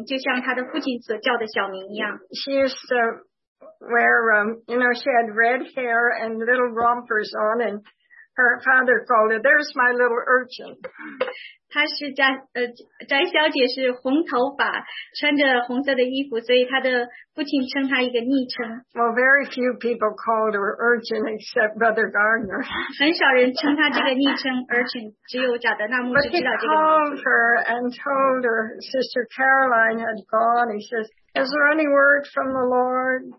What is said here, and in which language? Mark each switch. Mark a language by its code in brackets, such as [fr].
[zh] 所以贾德纳牧师一直叫翟小姐她的小名，就像她的父亲所叫的小名一样。 [en] She used to wear, you know, she had red hair and little rompers on, and her father called her, "There's my little urchin." [zh] 翟小姐是红头发，穿着红色的衣服，所以她的父亲称她一个昵称。 [en] Well, very few people called her urchin except Brother Gardner. [zh] 很少人称她这个昵称urchin，只有贾德纳牧师知道这个名字。 [en] But he called her and told her Sister Caroline had gone. He says, "Is there any word from the Lord?